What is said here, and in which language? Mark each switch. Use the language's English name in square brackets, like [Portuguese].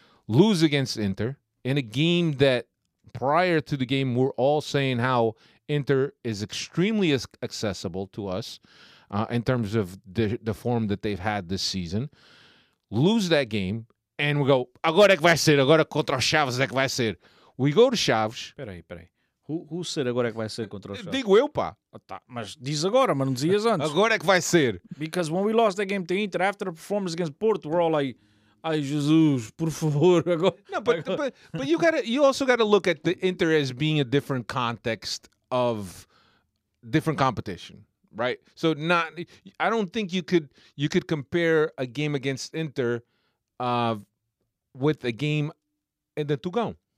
[English] Lose against Inter in a game that prior to the game, we're all saying how Inter is extremely accessible to us in terms of the form that they've had this season. Lose that game, and we go, [Portuguese] agora é que vai ser, agora contra o Chaves é que vai ser. [English] We go to Chaves. [Portuguese] Peraí. [English] Who said [Portuguese] agora é que vai ser contra o Chaves? Digo eu, pá. Oh, tá. Mas diz agora, mas não dizias antes. Agora é que vai ser. [English] Because when we lost that game to Inter, after the performance against Porto, we're all like, [Portuguese] ai, Jesus, por favor. [English] No, but you also gotta look at the Inter as being a different context of different competition, right? So not, I don't think you could compare a game against Inter with a game in the Tugão.